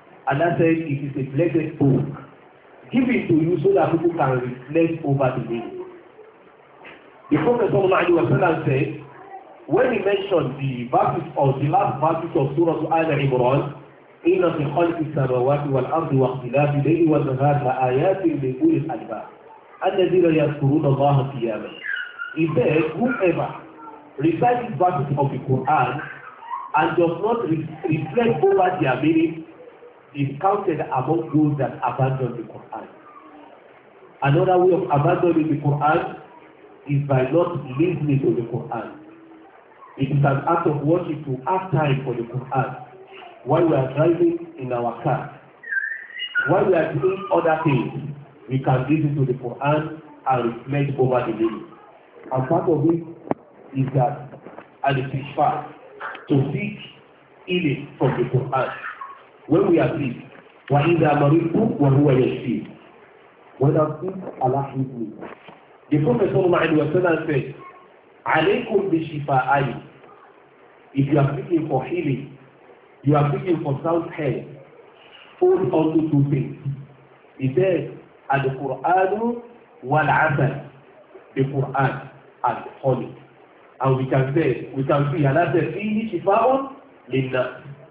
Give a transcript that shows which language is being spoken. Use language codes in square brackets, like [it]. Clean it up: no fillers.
[en] Allah said, it is a blessed book given to you so that people can reflect over the meaning. The Prophet sallallahu alayhi wa sallam said, when he mentioned the verses or the last verses of Surah Al Imran, [ar] إِنَّ فِي خَلْقِ السَّمَوَاتِ وَالْأَرْضِ وَاخْتِلَافِ اللَّيْلِ وَالنَّهَارِ لَآيَاتٍ لِأُولِي الْأَلْبَابِ الَّذِينَ يَذْكُرُونَ اللَّهَ قِيَامًا. [en] He said, whoever recites the verses of the Quran and does not reflect over their meaning is counted among those that abandon the Quran. Another way of abandoning the Quran is by not listening to the Quran. It is an act of worship to have time for the Quran while we are driving in our car. While we are doing other things, we can listen to the Quran and reflect over the meaning. And part of it is that al-istighfar, to seek healing from the Quran. When we are sick, [ar] وَإِذَا مَرِضْتُ وَهُوَ يَشْفِيهِ. [en] When I'm sick, Allah heals me. The Prophet sallallahu alayhi wa sallam said, [ar] عَلَيْكُمْ بِشِفَاءَيْهِ. [en] If you are seeking for healing, you are seeking for sound health, hold on to two things. He said, [ar] al-Qur'anu wal-'asal. [en] The Quran and honey. And we can see Allah said, [ar] "Fihi shifa'un linnas."